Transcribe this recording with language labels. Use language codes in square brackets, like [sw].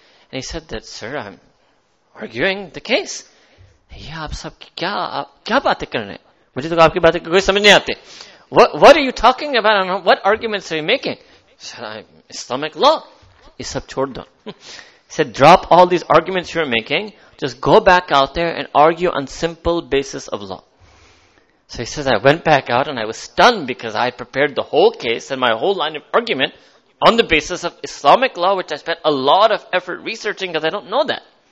[en] And he said that, sir, I'm arguing the case. [ur] Yeah، آپ سب کیا باتیں کر رہے ہیں؟ مجھے تو آپکی باتیں کوئی سمجھ نہیں آتی۔ [en] What are you talking about? And what arguments are you making? Said, I'm Islamic law. [ur] Ye sab chhod do. [en] He said, drop all these arguments you're making. Just go back out there and argue on simple basis of law. So he says, I went back out and I was stunned because I prepared the whole case and my whole line of argument on the basis of Islamic law, which I spent a lot of effort researching because I don't know that.